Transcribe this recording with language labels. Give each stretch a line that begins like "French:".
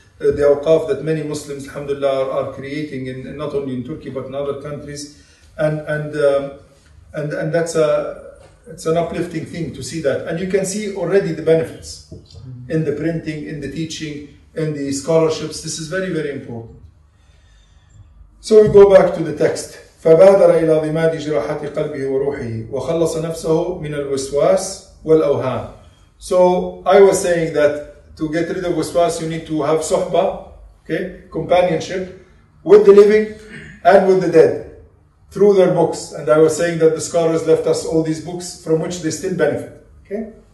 English: the Awqaf that many Muslims, alhamdulillah, are creating in not only in Turkey but in other countries, and that's an uplifting thing to see that, and you can see already the benefits in the printing, in the teaching, in the scholarships. This is very, very important. So we go back to the text.
Arabic: فبادر إلى ضماد جراحة قلبه وروحه وخلص نفسه من الوسواس والأوهام.
English: So I was saying that to get rid of waswas, you need to have suhba, okay, companionship with the living and with the dead through their books. And I was saying that the scholars left us all these books from which they still benefit. Okay.